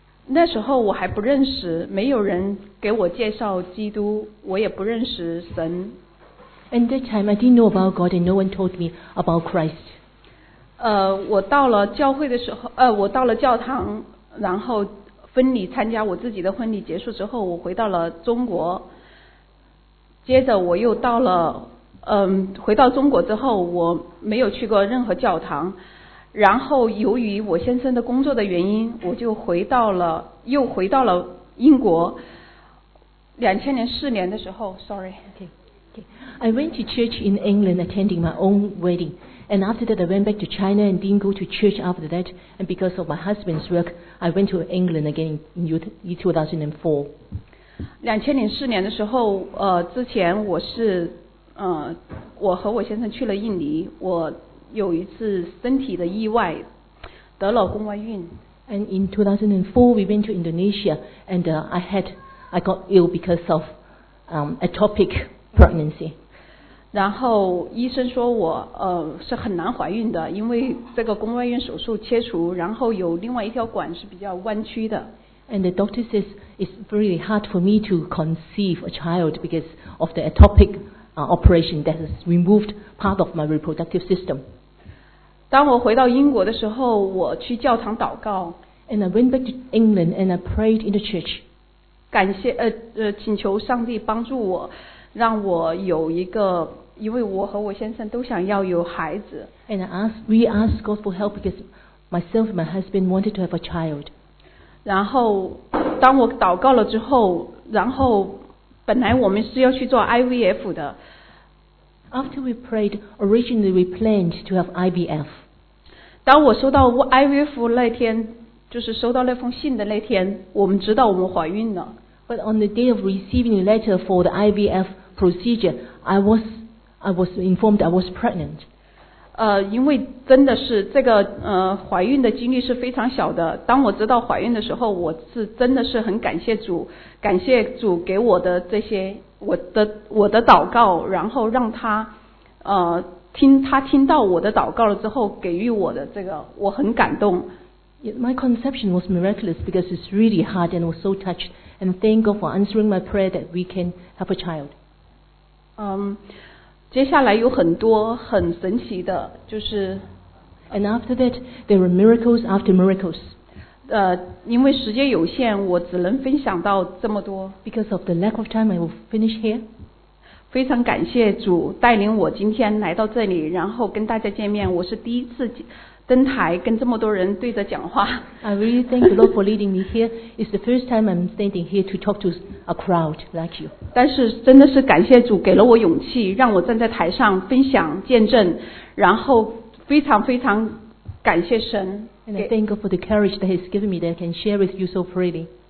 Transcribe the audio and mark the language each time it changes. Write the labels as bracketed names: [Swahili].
[Chinese] 那时候我还不认识，没有人给我介绍基督，我也不认识神。 [English] And that time, I didn't know about God, and no one told me about Christ. [Chinese] 我到了教会的时候，我到了教堂，然后婚礼参加我自己的婚礼结束之后，我回到了中国。接着我又到了，回到中国之后，我没有去过任何教堂。然后由于我先生的工作的原因，我就回到了英国。 2004年的时候 ， [English] sorry.、 Okay. I went to church in England attending my own wedding. And after that, I went back to China and didn't go to church after that. And because of my husband's work, I went to England again in 2004. [Chinese] 2004年的时候，之前我是，我和我先生去了印尼。我有一次身体的意外，得了宫外孕。 [English] And in 2004, we went to Indonesia. And I got ill because of atopic pregnancy. [Chinese] 然后医生说我是很难怀孕的，因为这个宫外孕手术切除，然后有另外一条管是比较弯曲的。 [English] And the doctor says it's really hard for me to conceive a child because of the atopic operation that has removed part of my reproductive system. [Chinese] 当我回到英国的时候，我去教堂祷告。 [English] And I went back to England and I prayed in the church. [Chinese] 感谢请求上帝帮助我。让我有一个，因为我和我先生都想要有孩子。 [English] And we asked God for help because myself and my husband wanted to have a child. [Chinese] 然后，当我祷告了之后，然后本来我们是要去做 IVF 的。 [English] After we prayed, originally we planned to have IVF. [Chinese] 当我收到 IVF 那天，就是收到那封信的那天，我们知道我们怀孕了。 [English] But on the day of receiving the letter for the IVF procedure, I was informed I was pregnant. [Chinese] 因为真的是这个怀孕的几率是非常小的。当我知道怀孕的时候，我是真的是很感谢主，感谢主给我的这些我的祷告，然后让他听到我的祷告了之后给予我的这个，我很感动。 [English] My conception was miraculous because it's really hard and was so touched. And thank God for answering my prayer that we can have a child. [Chinese] 接下来有很多很神奇的，就是。 [English] And after that, there were miracles after miracles. [Chinese] 因为时间有限，我只能分享到这么多。 [English] Because of the lack of time, I will finish here. [Chinese] 非常感谢主带领我今天来到这里，然后跟大家见面。我是第一次。登台跟这么多人对着讲话。 [English] I really thank the Lord for leading me here. It's the first time I'm standing here to talk to a crowd like you. [Chinese] 但是真的是感谢主给了我勇气，让我站在台上分享见证，然后非常非常感谢神。 [English] And I thank God for the courage that He's given me that I can share with you so freely.